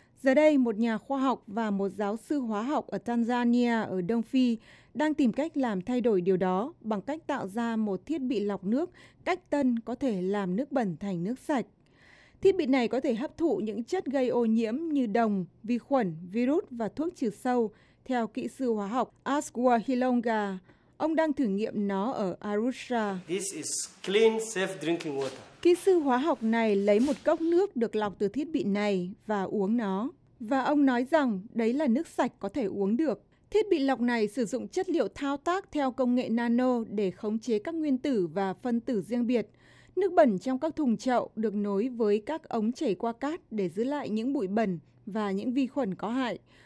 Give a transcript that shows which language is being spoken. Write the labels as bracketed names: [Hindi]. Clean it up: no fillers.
[Vietnamese] Giờ đây, một nhà khoa học và một giáo sư hóa học ở Tanzania ở Đông Phi đang tìm cách làm thay đổi điều đó bằng cách tạo ra một thiết bị lọc nước cách tân có thể làm nước bẩn thành nước sạch. Thiết bị này có thể hấp thụ những chất gây ô nhiễm như đồng, vi khuẩn, virus và thuốc trừ sâu, theo kỹ sư hóa học Aswa Hilonga. Ông đang thử nghiệm nó ở Arusha. [English] This is clean, safe drinking water. [Vietnamese] Kỹ sư hóa học này lấy một cốc nước được lọc từ thiết bị này và uống nó. Và ông nói rằng đấy là nước sạch có thể uống được. Thiết bị lọc này sử dụng chất liệu thao tác theo công nghệ nano để khống chế các nguyên tử và phân tử riêng biệt. Nước bẩn trong các thùng chậu được nối với các ống chảy qua cát để giữ lại những bụi bẩn và những vi khuẩn có hại.